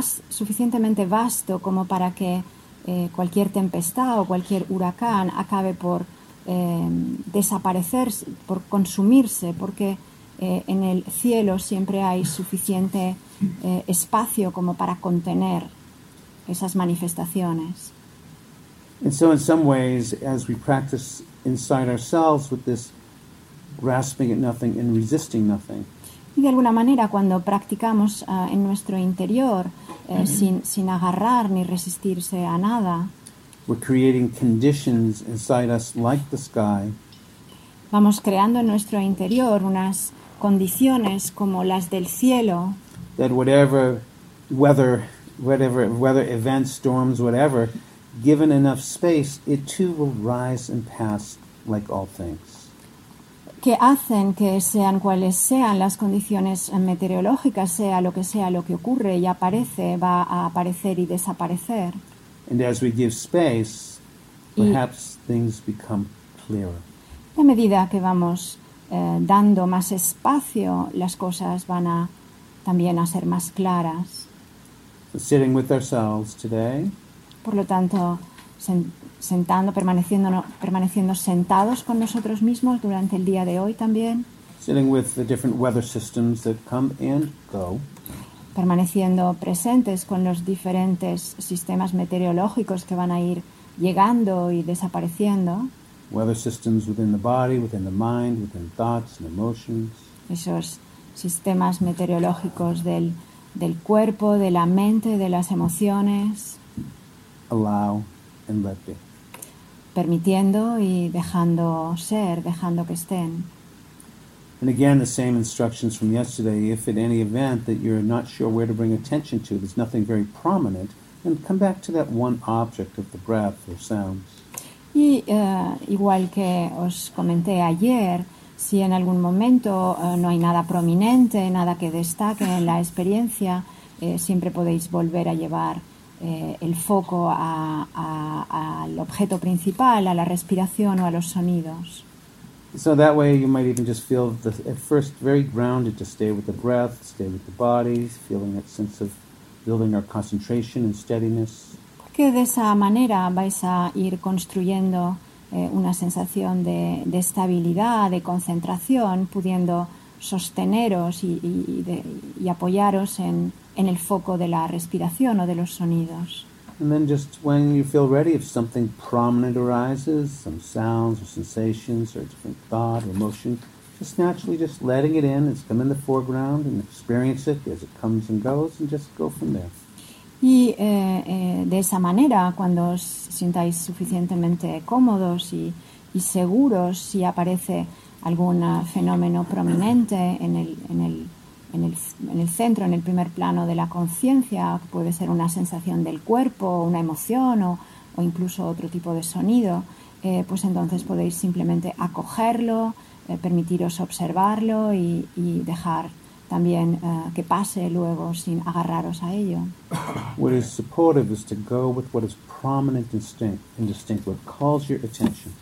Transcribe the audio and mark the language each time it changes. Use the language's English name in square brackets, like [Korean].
[Spanish] Suficientemente vasto como para que cualquier tempestad o cualquier huracán acabe por desaparecer, por consumirse, porque en el cielo siempre hay suficiente espacio como para contener esas manifestaciones. [English] And so in some ways, as we practice inside ourselves with this grasping at nothing and resisting nothing. [Spanish] Y de alguna manera, cuando practicamos en nuestro interior, sin agarrar ni resistirse a nada. [English] We're creating conditions inside us like the sky. [Spanish] Vamos creando en nuestro interior unas condiciones como las del cielo. [English] That whatever weather, events, storms, whatever, given enough space, it too will rise and pass like all things. [Spanish] Que hacen que sean cuales sean las condiciones meteorológicas, sea lo que ocurre y aparece, va a aparecer y desaparecer. [English] And as we give space, perhaps things become clearer. [Spanish] Y a medida que vamos dando más espacio, las cosas van a también a ser más claras. [English] So sitting with ourselves today. [Spanish] Por lo tanto, permaneciendo sentados con nosotros mismos durante el día de hoy también. [English] Sitting with the different weather systems that come and go. [Spanish] Permaneciendo presentes con los diferentes sistemas meteorológicos que van a ir llegando y desapareciendo. [English] Weather systems within the body, within the mind, within thoughts and emotions. [Spanish] Esos sistemas meteorológicos del cuerpo, de la mente, de las emociones. [English] Allow and let be. [Spanish] Permitiendo y dejando ser, dejando que estén. [English] And again, the same instructions from yesterday. If at any event that you're not sure where to bring attention to, there's nothing very prominent, then come back to that one object of the breath or sounds. [Spanish] Y igual que os comenté ayer, si en algún momento no hay nada prominente, nada que destaque en la experiencia, siempre podéis volver a llevar el foco al objeto principal, a la respiración o a los sonidos. [English] So that way you might even just feel at first very grounded to stay with the breath, stay with the body, feeling that sense of building our concentration and steadiness. [Spanish] Que de esa manera vais a ir construyendo una sensación de estabilidad, de concentración, pudiendo sosteneros y apoyaros en el foco de la respiración o de los sonidos. [English] And then just when you feel ready, if something prominent arises, some sounds or sensations or a different thought or emotion, just naturally just letting it in, it's come in the foreground and experience it as it comes and goes and just go from there. [Spanish] Y de esa manera, cuando os sintáis suficientemente cómodos y seguros, si aparece algún fenómeno prominente en el centro, en el primer plano de la conciencia, puede ser una sensación del cuerpo, una emoción o incluso otro tipo de sonido, pues entonces podéis simplemente acogerlo, permitiros observarlo y dejar también que pase luego sin agarraros a ello. [English] What is supportive is to go with what is prominent and distinct, what calls your attention.